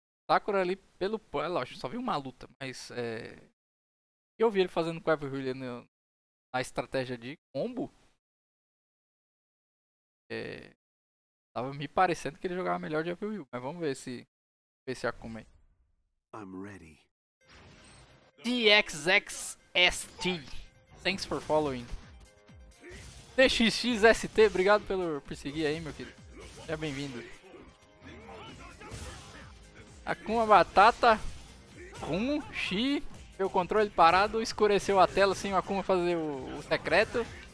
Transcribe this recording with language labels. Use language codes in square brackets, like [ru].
[pt] Sakura ali pelo pão, é lógico, só vi uma luta, mas é... Eu vi ele fazendo com o Evil Yu na estratégia de combo. É... Tava me parecendo que ele jogava melhor de Evil Yu, mas vamos ver se... Ver se Akuma aí. [en] I'm ready. DXXST, thanks for following. [pt] DXXST, obrigado pelo perseguir aí, meu querido. Seja bem-vindo. Akuma Batata, Rum, Xi, meu controle parado, escureceu a tela sem o Akuma fazer o secreto.